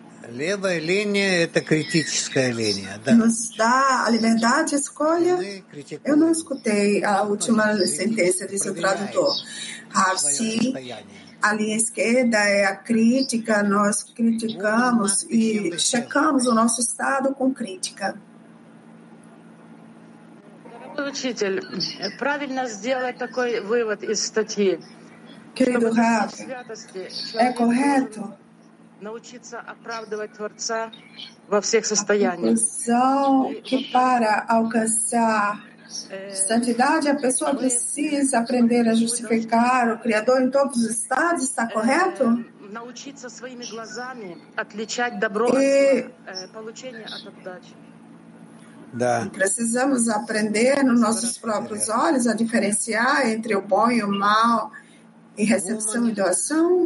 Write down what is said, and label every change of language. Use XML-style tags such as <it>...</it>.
<ru>Левая линия – это критическая линия, да?</ru> <pt>Nos dá a liberdade de escolha? Eu não escutei a última sentença do tradutor. Assim, a linha esquerda é a crítica, nós criticamos e checamos o nosso estado com crítica.</pt> <ru>Учитель, правильно сделать такой вывод из статьи.</ru> <pt>Querido Raf, é correto?</pt> <ru>Научиться оправдывать Творца во всех состояниях.</ru> <pt>Conclusão que para alcançar santidade a pessoa precisa aprender a justificar o Criador em todos os estados, está correto?</pt> <ru>Научиться своими глазами отличать добро и получение от отдачи. Да.</ru> <pt>Precisamos aprender nos nossos próprios olhos a diferenciar entre o bom e o mal e recepção e doação.</pt>